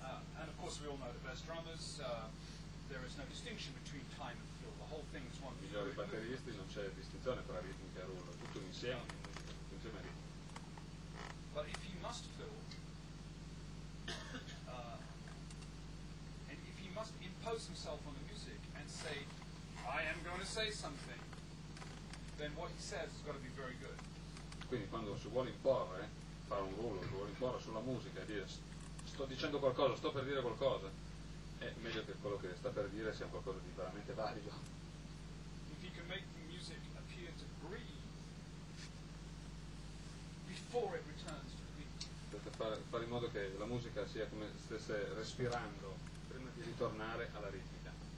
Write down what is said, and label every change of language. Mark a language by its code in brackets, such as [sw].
[en] And of course we all know the best drummers, there is no distinction between time and fill, the whole thing is one. [it] I migliori batteristi non c'è distinzione tra ritmica e rullo, tutto insieme a ritmo. [en] But if he must fill, and if he must impose himself on the music and say, I am going to say something, then what he says has got to be very good. [it] Quindi quando si vuole imporre, fare un rullo, si vuole imporre sulla musica e dire sto dicendo qualcosa, sto per dire qualcosa, è meglio che quello che sta per dire sia qualcosa di veramente valido. [en] If he can make the music appear to breathe before it returns to the beat. [it] Fare in modo che la musica sia come se stesse respirando prima di ritornare alla ritmica.